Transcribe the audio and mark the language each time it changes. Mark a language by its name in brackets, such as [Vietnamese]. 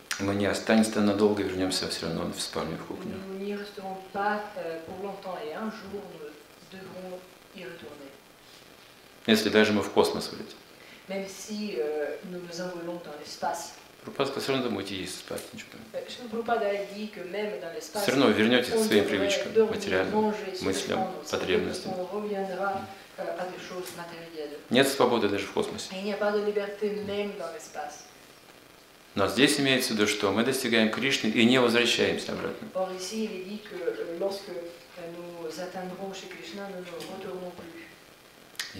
[Russian] Мы не останемся надолго, вернемся все равно в спальню, в кухню. [French] Nous n'y resterons pas pour longtemps et un jour nous devrons y retourner. [Russian] Если даже мы в космос улетим. [French] Même si nous nous envolons dans l'espace. [Russian] Прупада сказал, что мы идем спать, ничего. Прупада говорит, что [French] même dans l'espace. [Russian] Все равно вернетесь к своим привычкам, материальным мыслям, потребностям. [French] On reviendra à des choses matérielles. [Russian] Нет свободы даже в космосе. [French] Il n'y a pas de liberté même dans l'espace. [Russian] Но здесь имеется в виду, что мы достигаем Кришны и не возвращаемся обратно. [French] Or, ici, il est dit que lorsque nous atteindrons chez Krishna, nous ne retournerons plus.